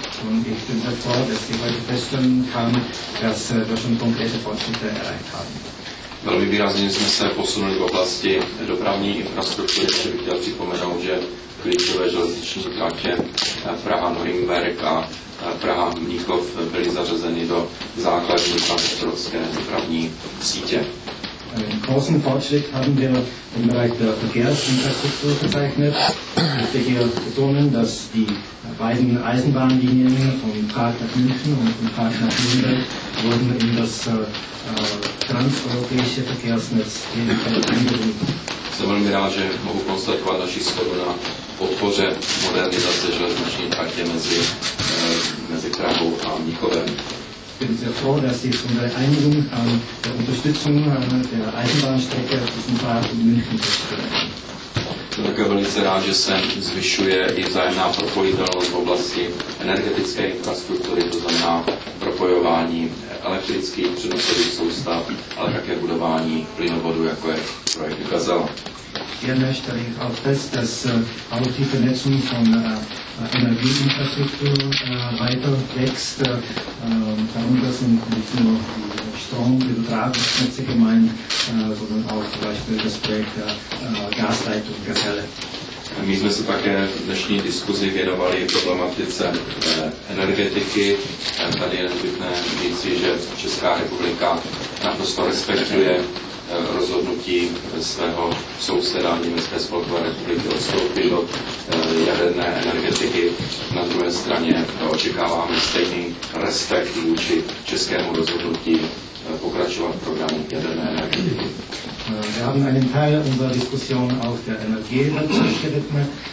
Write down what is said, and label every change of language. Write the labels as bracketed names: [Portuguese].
[German] Und ich bin sehr froh, dass ich heute feststellen kann, dass wir schon konkrete Fortschritte erreicht haben. [Czech] Velmi výrazně jsme se posunuli v oblasti dopravní infrastruktury. Ještě bych chtěl připomenout, že klíčové železniční tratě Praha-Norimberg a Praha-Mnichov byly zařazeny do základní transevropské dopravní sítě. [German] Einen großen Fortschritt haben wir im Bereich der Verkehrsinfrastruktur verzeichnet. Ich möchte hier betonen, dass die beiden Eisenbahnlinien von Prag nach München und von Prag nach Nürnberg wurden in das transeuropäische Verkehrsnetz eingebunden. [Czech] Jsem velmi rád, že mohu konstatovat naši shodu na podpoře modernizace železniční tratě mezi Prahou a Mnichovem. [German] Ich bin sehr froh, dass Sie von der Einigung an der Unterstützung der Eisenbahnstrecke zwischen Prag und München sprechen. Ich bin auch [Czech] velice rád, že se zvyšuje i vzájemná propojitelnost v oblasti energetické infrastruktury, to znamená propojování elektrických přenosových soustav, ale také budování plynovodu, jako je projekt Gazela. [German] Gerne stelle ich auch fest, dass auch die Vernetzung von Energieinfrastruktur weiter wächst. Darunter sind nicht nur die Stromübertragungsnetze gemeint, sondern auch zum Beispiel das Projekt der Gasleitung Gazelle. [Czech] My jsme se také v dnešní diskuzi věnovali problematice energetiky. Tady je nezbytné říci, že Česká republika naprosto respektuje rozhodnutí svého souseda Německé spolkové republiky odstoupit od jaderné energetiky. Na druhé straně očekáváme stejný respekt vůči českému rozhodnutí pokračovat v programu jaderné energetiky. [German] Wir haben einen Teil unserer Diskussion auch der Energiewende gewidmet.